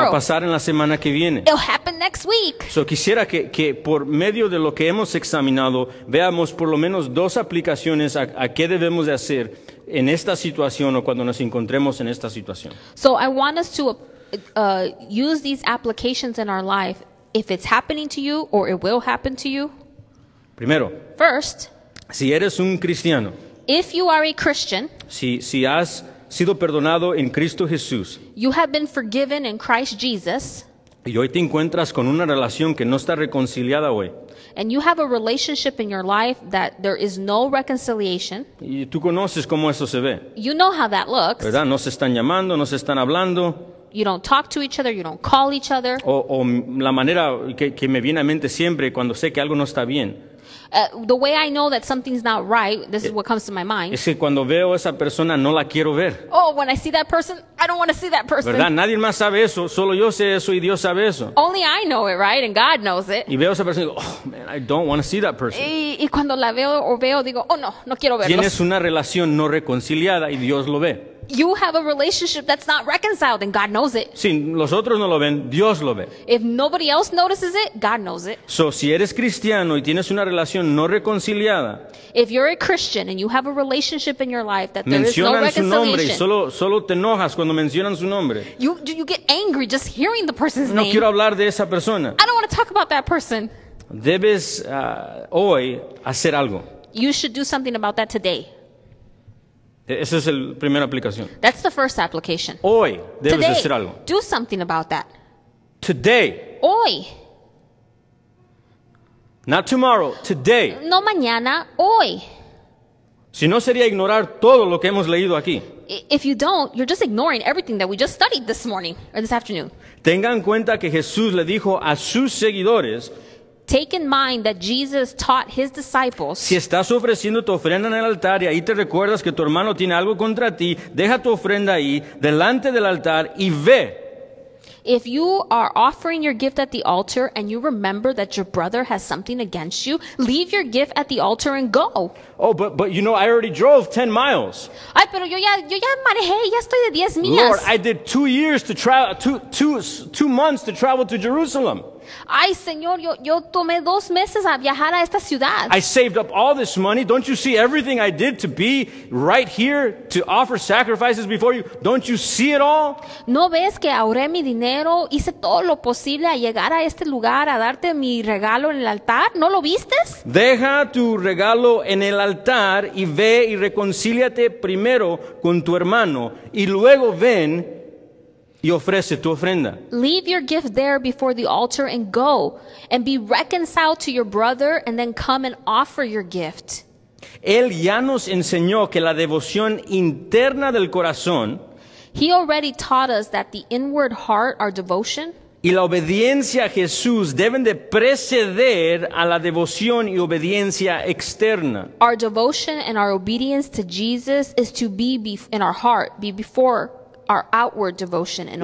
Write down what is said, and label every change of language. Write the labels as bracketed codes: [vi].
[es] Te va a pasar en la semana que viene. [en] It will happen next week. [es] So quisiera que por medio de lo que hemos examinado, veamos por lo menos dos aplicaciones a qué debemos de hacer en esta situación o cuando nos encontremos en esta situación. [en] So I want us to use these applications in our life if it's happening to you or it will happen to you. [es] Primero. [en] First. [es] Si eres un cristiano. [en] If you are a Christian. [es] Si has sido perdonado en Cristo Jesús. [en] You have been forgiven in Christ Jesus. [es] Y hoy te encuentras con una relación que no está reconciliada hoy. [en] And you have a relationship in your life that there is no reconciliation. [es] Y tú conoces cómo eso se ve. [en] You know how that looks. [es] ¿Verdad? No se están llamando, no se están hablando. [en] You don't talk to each other, you don't call each other. [es] O la manera que me viene a mente siempre cuando sé que algo no está bien. [en] The way I know that something's not right, this is what comes to my mind. [es] Es que cuando veo esa persona, no la quiero ver. [en] Oh, when I see that person, I don't want to see that person. [es] ¿Verdad? Nadie más sabe eso, solo yo sé eso y Dios sabe eso. [en] Only I know it, right? And God knows it. [es] Y veo esa persona y digo, [en] oh, man, I don't want to see that person. [es] Y cuando la veo o veo, digo, oh, no, no quiero verlos. Tienes una relación no reconciliada y Dios lo ve. [en] You have a relationship that's not reconciled and God knows it. [es] Si los otros no lo ven, Dios lo ve. [en] If nobody else notices it, God knows it. [es] So si eres cristiano y tienes una relación no reconciliada, [en] if you're a Christian and you have a relationship in your life that there is no reconciliation, [es] mencionan su nombre y solo te enojas cuando mencionan su nombre. [en] You get angry just hearing the person's name. [es] No quiero hablar de esa persona. [en] I don't want to talk about that person. [es] Debes hoy hacer algo. [en] You should do something about that today. [es] Esa es la primera aplicación. [en] That's the first application. [es] Hoy debes [en] today, [es] hacer algo. [en] Do something about that. Today. [es] Hoy. [en] Not tomorrow. Today. [es] No mañana. Hoy. Si no sería ignorar todo lo que hemos leído aquí. [en] If you don't, you're just ignoring everything that we just studied this morning or this afternoon. [es] Tenga en cuenta que Jesús le dijo a sus seguidores. [en] Take in mind that Jesus taught his disciples. [es] Si estás ofreciendo tu ofrenda en el altar y ahí te recuerdas que tu hermano tiene algo contra ti, deja tu ofrenda ahí delante del altar y ve. [en] If you are offering your gift at the altar and you remember that your brother has something against you, leave your gift at the altar and go. Oh, but you know, I already drove 10 miles. [es] Ay, pero yo ya manejé, ya estoy de 10 millas. [en] Lord, I did 2 years to travel, two months to travel to Jerusalem. [es] Ay, Señor, yo tomé 2 meses a viajar a esta ciudad. [en] I saved up all this money. Don't you see everything I did to be right here to offer sacrifices before you? Don't you see it all? [es] ¿No ves que ahorré mi dinero, hice todo lo posible a llegar a este lugar, a darte mi regalo en el altar? ¿No lo vistes? Deja tu regalo en el altar y ve y reconcíliate primero con tu hermano y luego ven y ofrece tu ofrenda. [en] Leave your gift there before the altar and go and be reconciled to your brother and then come and offer your gift. [es] Él ya nos enseñó que la devoción interna del corazón, [en] he already taught us that the inward heart, our devotion, [es] y la obediencia a Jesús deben de preceder a la devoción y obediencia externa. [en] Our devotion and our obedience to Jesus is to be in our heart, be before our outward devotion and